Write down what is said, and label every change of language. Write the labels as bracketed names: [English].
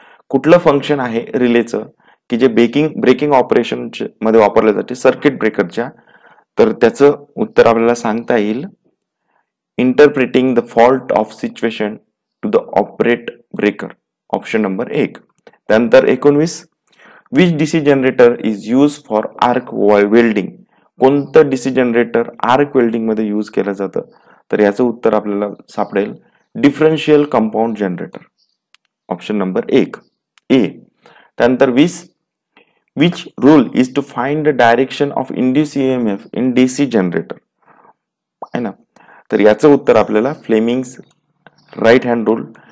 [Marathi] कुठलं फंक्शन आहे रिलेचं की जे ब्रेकिंग ऑपरेशन मध्ये वापरले जाते सर्किट ब्रेकरच्या, तर त्याचं उत्तर आपल्याला सांगता येईल [English] interpreting the fault of situation to the operate breaker, [Marathi] option number एक. [English] त्यानंतर 19, which DC generator is use for arc welding. [Marathi] कोणतं डीसी जनरेटर आर्क वेल्डिंग मध्ये यूज केलं जातं, तर याचं उत्तर आपल्याला सापडेल differential compound generator, option number एक ए. [English] त्यानंतर 20, which rule is to find the direction of induce EMF in DC generator, [Marathi] है ना, तर याचं उत्तर आपल्याला [English] Fleming's right hand rule.